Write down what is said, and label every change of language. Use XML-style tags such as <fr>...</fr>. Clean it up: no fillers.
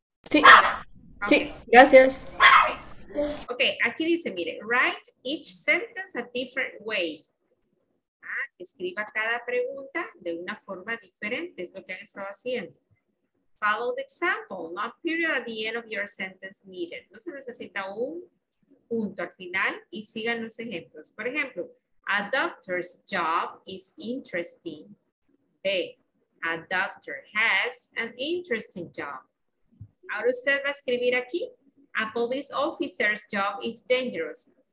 <es>Sí. Okay. Sí, gracias. Okay. Ok, aquí dice, mire,</es> <en>write each sentence a different way.</en> <es>Ah, escriba cada pregunta de una forma diferente, es lo que han estado haciendo.</es> <en>Follow the example, not period at the end of your sentence needed.</en> <es>No se necesita un punto al final y sigan los ejemplos. Por ejemplo,</es> <en>a doctor's job is interesting. B, a doctor has an interesting job.</en> <es>Ahora usted va a escribir aquí,</es> <en>a police officer's job is dangerous.</en>